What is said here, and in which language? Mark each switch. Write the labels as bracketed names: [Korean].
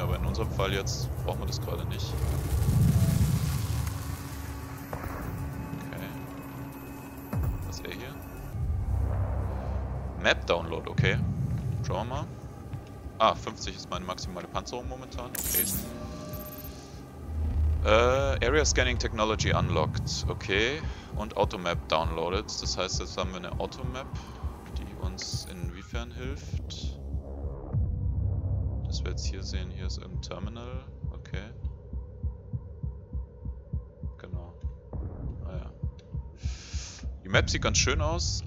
[German] Aber in unserem Fall jetzt braucht man das gerade nicht. Okay. Was ist er hier? Map Download, okay. Schauen wir mal. Ah, 50 ist meine maximale Panzerung momentan. Okay. [English] Area Scanning Technology unlocked. [German] Okay. Und Automap downloaded. Das heißt, jetzt haben wir eine Automap, die uns inwiefern hilft. Das wir jetzt hier sehen, hier ist irgendein Terminal. Okay. Genau. Ah ja. Die Map sieht ganz schön aus.